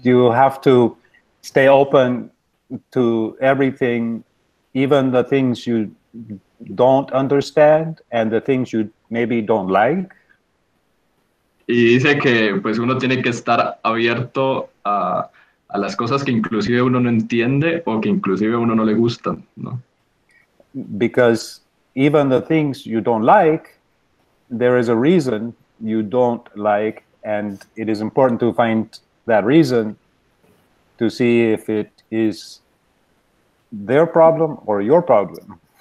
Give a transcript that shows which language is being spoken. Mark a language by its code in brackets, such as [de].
[en] You have to stay open to everything, even the things you don't understand and the things you maybe don't like. [es] Y dice que pues uno tiene que estar abierto a las cosas que inclusive uno no entiende o que inclusive uno no le gustan, ¿no? [en] Because even the things you don't like, there is a reason you don't like. And it is important to find that reason to see if it is their problem or your problem.